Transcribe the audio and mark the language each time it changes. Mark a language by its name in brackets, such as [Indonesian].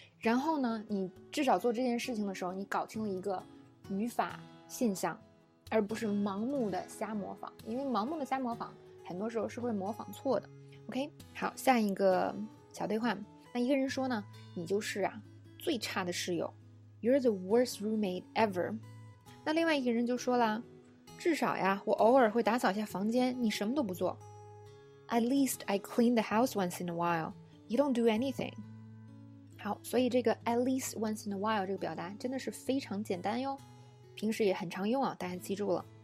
[Chinese] 然后呢，你至少做这件事情的时候，你搞清了一个语法现象，而不是盲目的瞎模仿，因为盲目的瞎模仿很多时候是会模仿错的。 OK， 好，下一个小对话。那一个人说呢，你就是啊最差的室友， [English] You're the worst roommate ever。 [Chinese] 那另外一个人就说了，至少呀，我偶尔会打扫一下房间，你什么都不做。 [English] At least I clean the house once in a while. You don't do anything. [Chinese] 好，所以这个 [English] at least once in a while [Chinese] 这个表达真的是非常简单哟，平时也很常用啊，大家记住了。